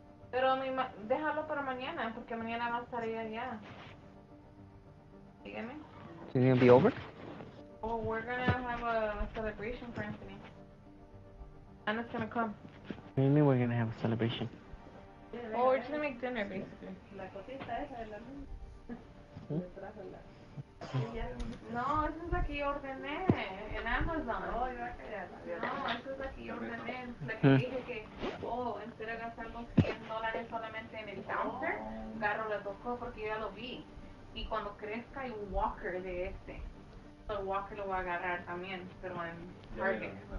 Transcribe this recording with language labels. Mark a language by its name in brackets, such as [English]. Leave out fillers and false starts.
[Spanish] Pero déjalo para mañana, porque mañana va a estar allá. Sígueme. [English] Is it going to be over? Oh, we're going to have a celebration for Anthony. Anna's going to come. What do you mean we're going to have a celebration? Oh, we're just going to make dinner, basically. [Spanish] La cosita esa de la. No, eso es la que yo ordené en Amazon. No, eso es la que yo ordené. La que dije que, en vez de gastar los $100 solamente en el counter, agarro las dos cosas porque ya lo vi. Y cuando crezca hay un walker de este. El walker lo voy a agarrar también, pero en Target.